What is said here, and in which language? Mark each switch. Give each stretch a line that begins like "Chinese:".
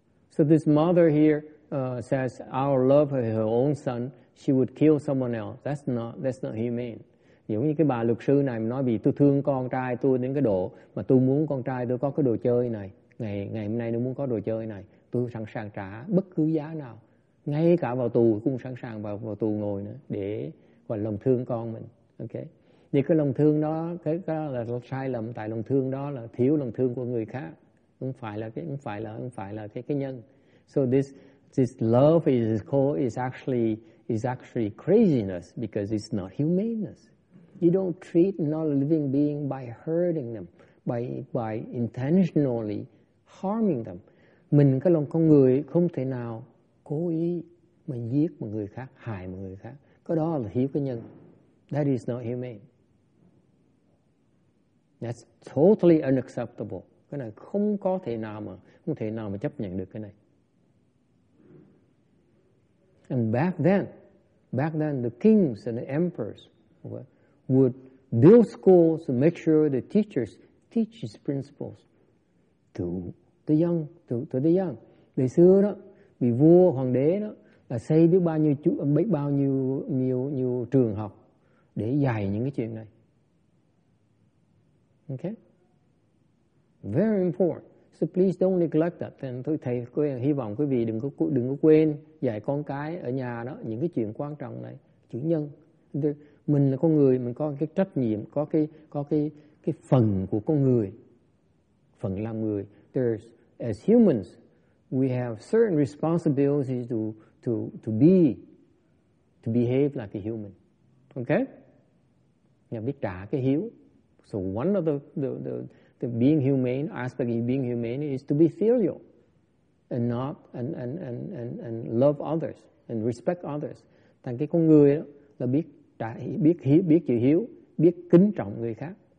English: So this mother here says, "Our love for her own son, she would kill someone else. That's not humane."
Vietnamese: Giống như cái bà luật sư này nói vì tôi thương con trai tôi đến cái độ mà tôi muốn con trai tôi có cái đồ chơi này, ngày hôm nay tôi muốn có đồ chơi này, tôi sẵn sàng trả bất cứ giá nào, ngay cả vào tù cũng sẵn sàng vào tù ngồi nữa để gọi lòng thương con mình. Ok? Vì cái lòng thương đó, cái đó là sai lầm, tại lòng thương đó là thiếu lòng thương của người khác. Không phải là cái nhân.
English: So this love is actually craziness, because it's not humaneness. You don't treat another living being by hurting them, by intentionally harming them.
Vietnamese: Mình cái lòng con người không thể nào cố ý mà giết một người khác, hại một người khác. Cái đó là thiếu cái nhân.
English: That is not humane. That's totally unacceptable.
Vietnamese: Cái này không thể nào mà chấp nhận được cái này.
English: And back then the kings and the emperors would build schools to make sure the teachers teach these principles to the young.
Vietnamese: Ngày xưa đó, vì vua hoàng đế đó là xây biết bao nhiêu chú, biết bao nhiêu nhiều nhiều trường học để dạy những cái chuyện này.
English: Okay? Very important. So please don't neglect that.
Vietnamese: Then thầy hy vọng quý vị đừng có quên dạy con cái ở nhà đó những cái chuyện quan trọng này, chữ nhân. Mình là con người, mình có cái trách nhiệm, có cái phần của con người, phần làm người.
English: There's, as humans, we have certain responsibilities to behave like a human. Okay?
Vietnamese: Nhà biết trả cái hiếu,
English: So one of the being humane aspect in being humane is to be filial and not and love others and respect others.
Vietnamese: Thành cái con người đó là biết biết hiểu, biết chịu hiếu, biết kính trọng người khác.